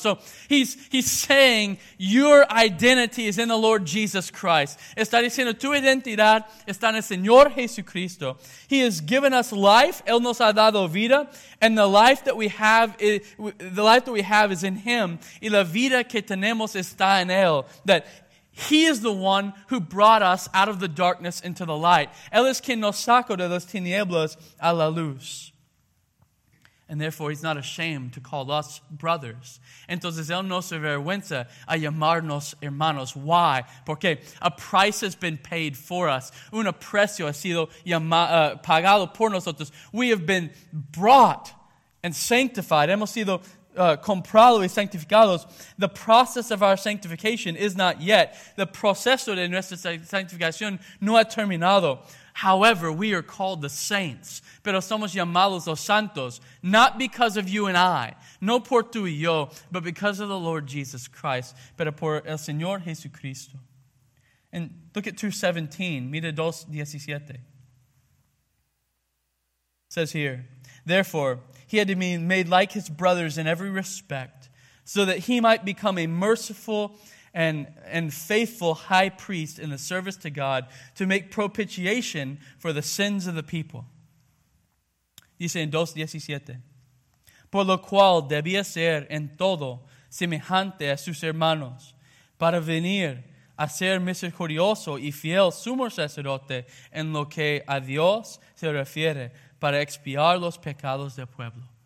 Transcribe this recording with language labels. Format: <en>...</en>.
<en>So he's saying your identity is in the Lord Jesus Christ.</en> <es>Está diciendo tu identidad está en el Señor Jesucristo.</es> <en>He has given us life.</en> <es>Él nos ha dado vida.</es> <en>And the life that we have is in Him.</en> <es>Y la vida que tenemos está en Él.</es> <en>That He is the one who brought us out of the darkness into the light.</en> <es>Él es quien nos sacó de las tinieblas a la luz.</es> <en>And therefore, he's not ashamed to call us brothers.</en> <es>Entonces, él no se avergüenza a llamarnos hermanos.</es> <en>Why?</en> <es>Porque</es> <en>a price has been paid for us.</en> <es>Un precio ha sido pagado por nosotros.</es> <en>We have been brought and sanctified.</en> <es>Hemos sido comprado y santificados,</es> <en>the process of our sanctification is not yet.</en> <es>The proceso de nuestra santificación no ha terminado.</es> <en>However, we are called the saints.</en> <es>Pero somos llamados los santos,</es> <en>not because of you and I,</en> <es>no por tú y yo,</es> <en>but because of the Lord Jesus Christ,</en> <es>pero por el Señor Jesucristo.</es> <en>And look at 2:17,</en> <es>mira 2:17.</es> <en>It says here, therefore, he had to be made like his brothers in every respect, so that he might become a merciful and faithful high priest in the service to God to make propitiation for the sins of the people.</en> <es>Dice en 2:17, por lo cual debía ser en todo semejante a sus hermanos para venir a ser misericordioso y fiel sumo sacerdote en lo que a Dios se refiere para expiar los pecados del pueblo.</es>